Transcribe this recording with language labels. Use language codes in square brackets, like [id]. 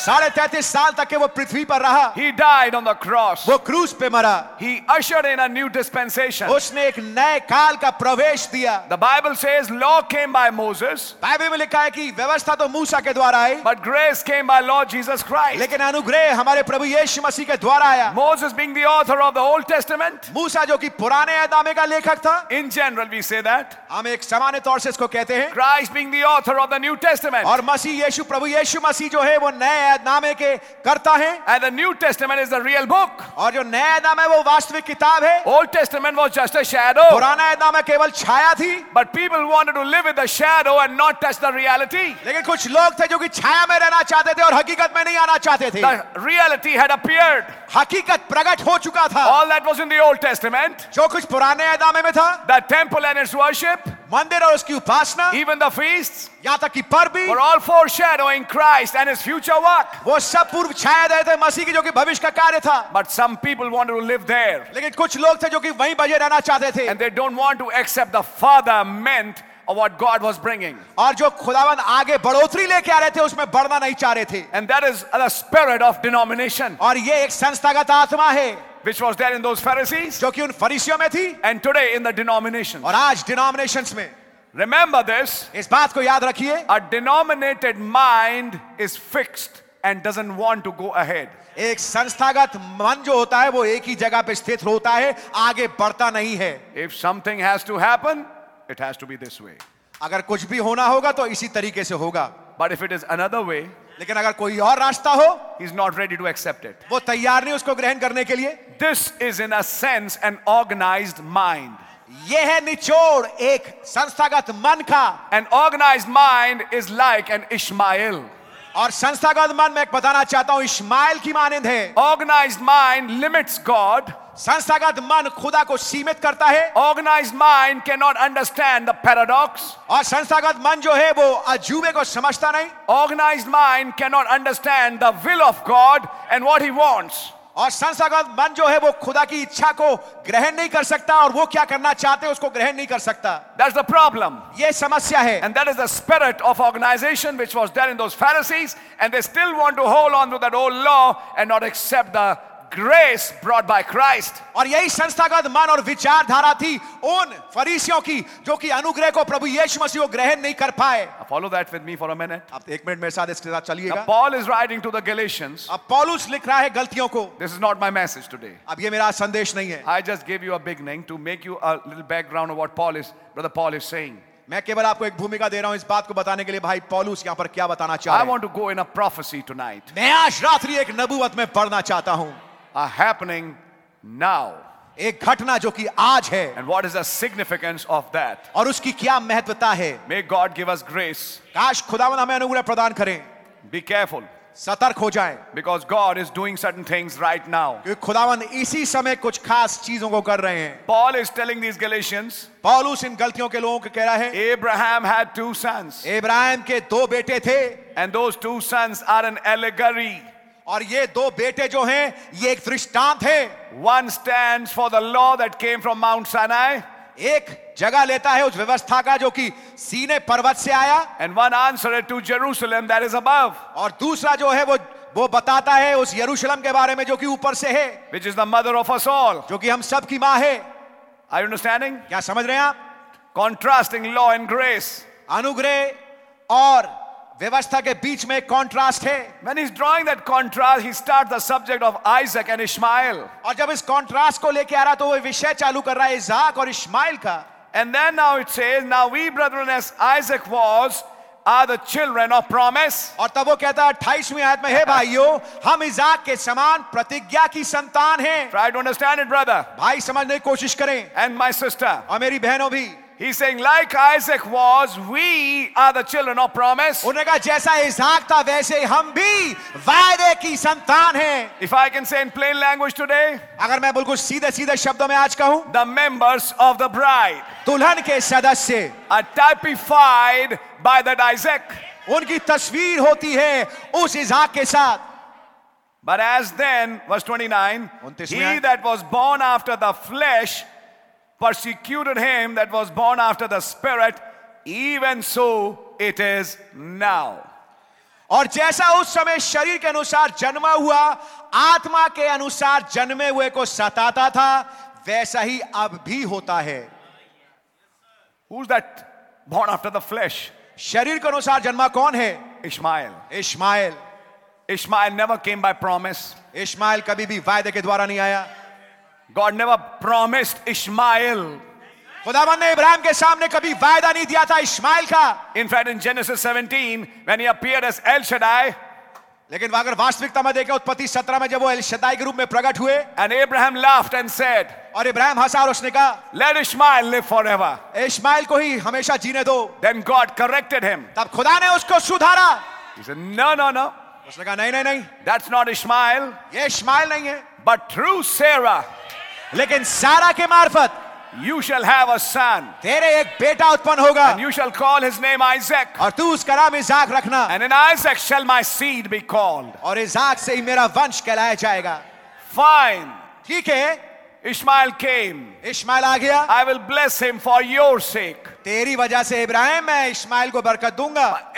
[hi] 33 साल तक के वो पृथ्वी पर रहा. [en] He died on the cross. [hi] वो क्रूस पे मरा. [en] He ushered in a new dispensation. [hi] उसने एक नए काल का प्रवेश दिया. [en] The Bible says law came by Moses. [hi] Bible में लिखा है कि व्यवस्था तो मूसा के द्वारा आई. [en] But grace came by Lord Jesus Christ. [hi] लेकिन अनुग्रह हमारे प्रभु यीशु मसीह के द्वारा आया. [en] Moses being the author of the Old Testament. [hi] मूसा जो कि पुराने आदमे का लेखक था. [en] In general we say that. [hi] हम एक सामान्य तौर से इसको कहते हैं. [en] Christ being the author of the New Testament. [hi] और मसीह यीशु प्रभु यीशु मसीह जो है वो नए आदमे के कर्ता हैं. [en] And the New Testament is the real book. [hi] और जो नया आदमा है वो वास्तविक किताब है. [en] Old Testament was just a shadow. [hi] पुराना आदमा केवल छाया थी. [en] But people wanted to live with the shadow and not touch the reality. [hi] लेकिन कुछ लोग थे जो कि छाया में रहना चाहते थे और हकीकत में नहीं आना चाहते थे. [en] The reality had appeared. [hi] हकीकत प्रकट हो चुका था. [en] All that was in the Old Testament. [hi] जो कुछ पुराने आदमे में था. [en] The temple and its worship. [hi] मंदिर और उसकी उपासना. [en] Even the feasts. [hi] यहाँ तक कि पर भी. [en] Were all foreshadowing Christ and his future work. [hi] वो सब पूर्व छाया देते मसीह के जो कि भविष्य का कार्य था. [en] But some people wanted to live there. [hi] लेकिन कुछ लोग थे जो कि वहीं बजे रहना चाहते थे. [en] And they don't want to accept the Father meant of what God was bringing. [hi] और जो खुदावंद आगे बढ़ोतरी लेके आ रहे थे उसमें बढ़ना नहीं चाह रहे थे. [en] And that is the spirit of denomination. [hi] और ये एक संस्थागत आत्मा है. [en] Which was there in those Pharisees. [hi] जो कि उन फरीसियों में थी. [en] And today in the denominations. [hi] और आज denominations में. [en] Remember this. [hi] इस बात को याद रखिए. [en] A denominated mind is fixed and doesn't want to go ahead. [hi] एक संस्थागत मन जो होता है वो एक ही जगह पे स्थित होता है, आगे बढ़ता नहीं है. [en] If something has to happen, it has to be this way. [hi] अगर कुछ भी होना होगा तो इसी तरीके से होगा. [en] But if it is another way, [hi] लेकिन अगर कोई और रास्ता हो, [en] he's not ready to accept it. [hi] वो तैयार नहीं उसको ग्रहण करने के लिए. [en] This is in a sense an organized mind. [hi] ये है निचोड़ एक संस्थागत मन का. [en] An organized mind is like an Ishmael. [hi] और संस्थागत मन मैं बताना चाहता हूं इश्माइल की मानिंद है. [en] Organized mind limits God. [hi] संस्थागत मन खुदा को सीमित करता है. [en] Organized mind cannot understand the paradox. [hi] और संस्थागत मन जो है वो अजूबे को समझता नहीं. [en] Organized mind cannot understand the will of God and what he wants. [hi] और संस्थागत मन जो है वो खुदा की इच्छा को ग्रहण नहीं कर सकता और वो क्या करना चाहते उसको ग्रहण नहीं कर सकता. [en] That's the problem. [hi] ये समस्या है. [en] And that is the spirit of organization which was there in those Pharisees and they still want to hold on to that old law and not accept the grace brought by Christ. [hi] और यही संस्थागत मन और विचारधारा थी उन फरीसियों की जो कि अनुग्रह को प्रभु यीशु मसीह को ग्रहण नहीं कर पाए. [en] Follow that with me for a minute. [hi] अब एक मिनट मेरे साथ इसके साथ चलिएगा. [en] Paul is writing to the Galatians. [hi] अब पौलुस लिख रहा है गलतियों को. [en] This is not my message today. [hi] अब ये मेरा संदेश नहीं है. [en] I just gave you a beginning to make you a little background of what brother Paul is saying. [hi] मैं केवल आपको एक भूमिका दे रहा हूं इस बात को बताने के लिए भाई पौलुस यहां पर क्या बताना चाह रहे हैं. [en] I want to go in a prophecy tonight. [hi] मैं आज रात्रि एक नबूवत में पढ़ना चाहता हूं. [en] A happening now. [hi] एक घटना जो कि आज है. [en] And what is the significance of that? [hi] और उसकी क्या महत्वता है? [en] May God give us grace. [hi] काश खुदावंद हमें अनुग्रह प्रदान करें. [en] Be careful. [hi] सतर्क हो जाएं. [en] Because God is doing certain things right now. [hi] क्योंकि खुदावंद इसी समय कुछ खास चीजों को कर रहे हैं. [en] Paul is telling these Galatians. [hi] पौलुस इन गलतियों के लोगों को कह रहा है. [en] Abraham had two sons. [hi] Ibrahim के दो बेटे थे. [en] And those two sons are an allegory. [hi] और ये दो बेटे जो हैं ये एक दृष्टांत है. [en] One stands for the law that came from Mount Sinai. [hi] एक जगह लेता है उस व्यवस्था का जो कि सीने पर्वत से आया. [en] And one answered to Jerusalem that is above. [hi] और दूसरा जो है वो बताता है उस यरूशलम के बारे में जो कि ऊपर से है. [en] Which is the mother of us all. [hi] जो कि हम सब की माँ है. [en] Are you understanding? [hi] क्या समझ रहे हैं आप? [en] Contrasting law and grace. [hi] अनुग्रह और व्यवस्था के बीच में एक कॉन्ट्रास्ट है. [en] When he's drawing that contrast, he starts the subject of Isaac and Ishmael. [hi] और जब इस कॉन्ट्रास्ट को लेके आ रहा तो वो विषय चालू कर रहा है इसहाक और इश्माइल का. [en] And then now it says, now we brethren as Isaac was are the children of promise. [hi] और तब वो कहता है 28वीं आयत में, हे भाइयों हम इसहाक के समान प्रतिज्ञा की संतान हैं. [en] Try to understand it, brother. [hi] भाई समझने की कोशिश करें. [en] And my sister. [hi] और मेरी बहनों भी. [en] He's saying, like Isaac was, we are the children of promise. [hi] उनका जैसा इसहाक था वैसे हम भी वायदे की संतान हैं. [en] If I can say in plain language today, [hi] अगर मैं बिल्कुल सीधे-सीधे शब्दों में आज कहूँ, [en] the members of the bride, [hi] दुल्हन के सदस्य, [en] are typified by that Isaac. [hi] उनकी तस्वीर होती है उस इसहाक के साथ. [en] But as then, verse 29, he that was born after the flesh persecuted him that was born after the spirit, even so it is now. [hi] और जैसा उस समय शरीर के अनुसार जन्मा हुआ आत्मा के अनुसार जन्मे हुए को सताता था वैसा ही अब भी होता है. [en] Who's that born after the flesh? [hi] शरीर के अनुसार जन्मा कौन है? [en] Ishmael. [hi] Ishmael. [en] Ishmael never came by promise. [hi] Ishmael कभी भी वायदे के द्वारा नहीं आया. [en] God never promised Ishmael. [hi] खुदावन ने इब्राहिम के सामने कभी वायदा नहीं दिया था इश्माइल का. [en] In fact, in Genesis 17, when he appeared as El Shaddai, [hi] लेकिन अगर वास्तविकता में देखें उत्पत्ति 17 में जब वो एल शद्दाई के रूप में प्रकट हुए, [en] and Abraham laughed and said, [hi] और इब्राहिम हंसा और उसने कहा, [en] let Ishmael live forever. [hi] Ishmael को ही हमेशा जीने दो. [en] Then God corrected him. [hi] तब खुदा ने उसको सुधारा. [en] He said, no. [hi] उसने कहा, नहीं नहीं नहीं. [en] That's not Ishmael. [hi] ये इश्माइल नहीं है. [en] But through Sarah. [hi] लेकिन सारा के मार्फत, [en] you shall have a son. [hi] तेरे एक बेटा उत्पन्न होगा. [en] And you shall call his name Isaac. [hi] और तू उसका नाम इसहाक रखना. [en] And in Isaac shall my seed be called. [hi] और इसहाक से ही मेरा वंश कहलाया जाएगा. [en] Fine. [hi] ठीक है. [en] Ishmael came. [hi] इश्माइल आ गया. [en] I will bless him for your sake. [hi] तेरी वजह से इब्राहिम मैं इश्माइल को बरकत दूंगा.